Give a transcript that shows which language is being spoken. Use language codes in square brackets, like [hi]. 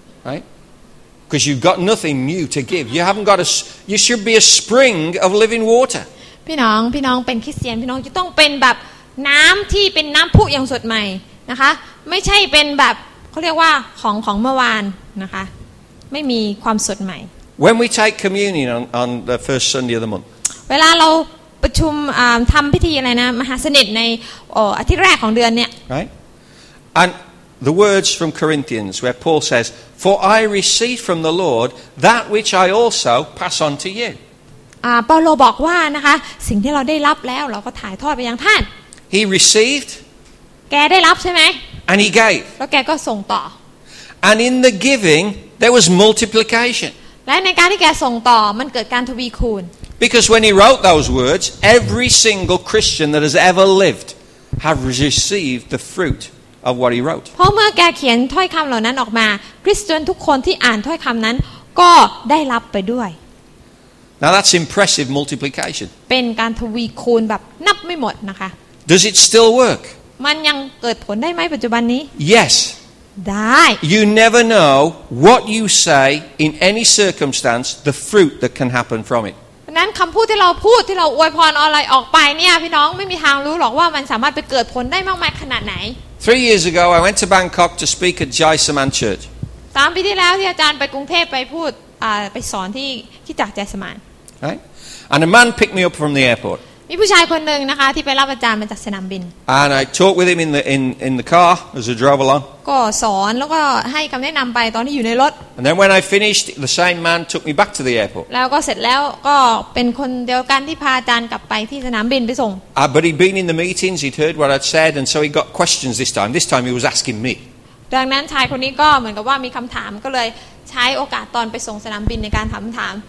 [en] Right? Because you've got nothing new to give. You haven't got a. You should be a spring of living water. [th] พี่น้องพี่น้องเป็นคริสเตียนพี่น้องจะต้องเป็นแบบน้ำที่เป็นน้ำพุอย่างสดใหม่นะคะไม่ใช่เป็นแบบเขาเรียกว่าของเมื่อวานนะคะไม่มีความสดใหม่ [en] When we take communion on the first Sunday of the month. [th] เวลาเราประชุมทำพิธีอะไรนะมหาสนิทในอาทิตย์แรกของเดือนเนี่ย [en] Right and the words from Corinthians where Paul says for I received from the Lord that which I also pass on to you [th] เปาโลบอกว่านะคะสิ่งที่เราได้รับแล้วเราก็ถ่ายทอดไปยังท่าน [en] He received [th] แกได้รับใช่ไหม [en] And he gave [th] แล้วแกก็ส่งต่อ [en] And in the giving there was multiplication [th] และในการที่แกส่งต่อมันเกิดการทวีคูณ [en] Because when he wrote those words, every single Christian that has ever lived have received the fruit of what he wrote. [th] เพราะเมื่อแกเขียนถ้อยคำเหล่านั้นออกมาคริสเตียนทุกคนที่อ่านถ้อยคำนั้นก็ได้รับไปด้วย [en] Now that's impressive multiplication. [th] เป็นการทวีคูณแบบนับไม่หมดนะคะ [en] Does it still work? [th] มันยังเกิดผลได้ไหมปัจจุบันนี้ [en] Yes. [th] ได้ [en] You never know what you say in any circumstance, the fruit that can happen from it. [th] นั้นคำพูดที่เราพูดที่เราอวยพรอะไรออกไปเนี่ยพี่น้องไม่มีทางรู้หรอกว่ามันสามารถไปเกิดผลได้มากมายขนาดไหน [en] Three years ago I went to Bangkok to speak at Jai Saman Church [th] 3ปีที่แล้วที่อาจารย์ไปกรุงเทพไปพูดไปสอนที่จักรจัยสมาน [en] Right and a man picked me up from the airport [th] มีผู้ชายคนนึงนะคะที่ไปรับอาจารย์มาจากสนามบิน [en] And I talked with him in the car as I drove along [th] ก็สอนแล้วก็ให้คำแนะนำไปตอนที่อยู่ในรถ [en] And then when I finished the same man took me back to the airport [th] แล้วก็เสร็จแล้วก็เป็นคนเดียวกันที่พาอาจารย์กลับไปที่สนามบินไปส่ง [en] But he'd been in the meetings he'd heard what I'd said and so he got questions this time he was asking me [th] ดังนั้นชายคนนี้ก็เหมือนกับว่ามีคำถามก็เลยใช้โอกาสตอนไปส่งสนามบินในการถามคำถาม